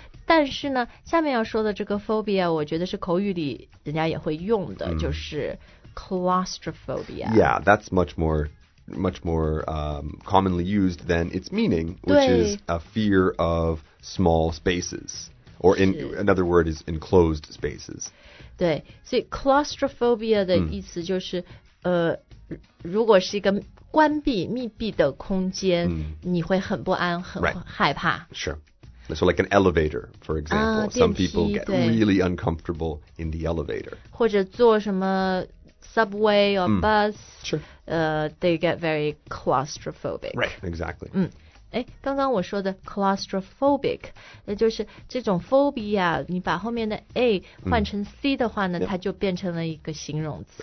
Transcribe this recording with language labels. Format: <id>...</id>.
<zh>但是呢，下面要说的这个 phobia， 我觉得是口语里人家也会用的，就是 claustrophobia。</zh> <en>Yeah, that's much more、commonly used than its meaning, which is a fear of small spaces, or in another word is enclosed spaces.</en> <zh>对，所以 claustrophobia 的意思就是、mm. 如果是一个关闭密闭的空间、 mm. 你会很不安很、</zh> <en>right.</en> <zh>害怕。</zh> <en>Sure. So like an elevator, for example. Some people get really uncomfortable in the elevator.</en> <zh>或者坐什么</zh> <en>subway or bus, sure. They get very claustrophobic. Right, exactly.</en> <zh>刚刚我说的 claustrophobic, 那就是这种 phobia, 你把后面的 a 换成 c 的话呢、它就变成了一个形容词。</zh>